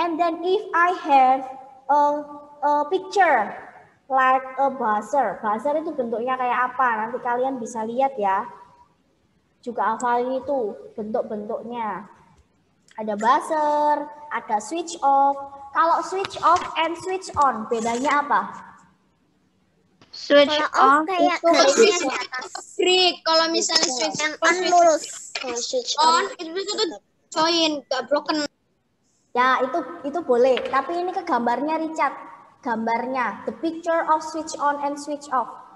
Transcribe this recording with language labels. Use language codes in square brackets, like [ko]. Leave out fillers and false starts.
[en] And then if I have a picture like a buzzer. [id] Buzzer itu bentuknya kayak apa? Nanti kalian bisa lihat ya. Juga hafalin itu bentuk-bentuknya. Ada buzzer, ada switch off. Kalau switch off and switch on, bedanya apa? Switch off kayak itu switch on. Free. Kalau misalnya switch yang on lurus. Switch on itu join, gak broken. Ya, itu boleh. Tapi ini ke gambarnya Richard. [en] Gambarnya, [id] the picture of switch on and switch off.